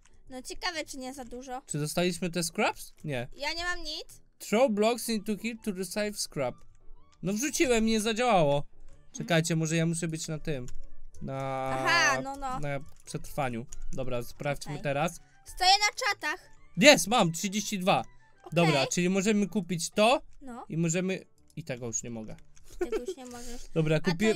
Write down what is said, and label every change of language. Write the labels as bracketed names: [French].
[Polish] No ciekawe, czy nie za dużo. Czy dostaliśmy te scraps? Nie. Ja nie mam nic. [English] Throw blocks into here to receive scrap. [Polish] No wrzuciłem, nie zadziałało. Czekajcie, może ja muszę być na tym. Na przetrwaniu. Dobra, sprawdźmy teraz. Stoję na czatach. Jest, mam, 32. Dobra, czyli możemy kupić to. No. I możemy... I tego już nie mogę. Dobra, kupiłem...